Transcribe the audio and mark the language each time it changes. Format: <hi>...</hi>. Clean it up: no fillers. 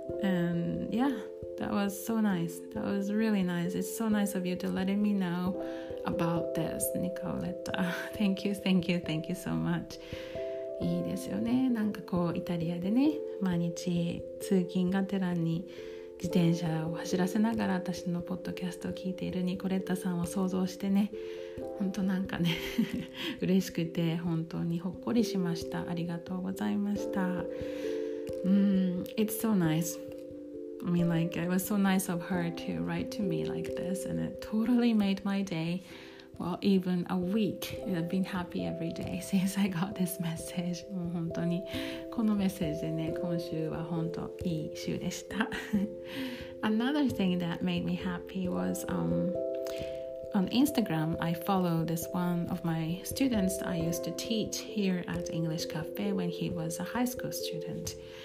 <en>And yeah, that was so nice. That was really nice. It's so nice of you to let me know about this, Nicoletta. Thank you, thank you, thank you so much.</en> <ja>いいですよね。なんかこうイタリアでね、毎日通勤がてらに自転車を走らせながら私のポッドキャストを聞いているニコレッタさんを想像してね、本当なんかね嬉しくて本当にほっこりしました。ありがとうございました。</ja> <en>It's so nice. I mean, like, it was so nice of her to write to me like this and it totally made my dayWell, even a week, I've been happy every day since I got this message.</en> <ja>もう本当にこのメッセージでね、今週は本当いい週でした。</ja> <en>Another thing that made me happy was on Instagram, I follow this one of my students I used to teach here at English Cafe when he was a high school student.</en>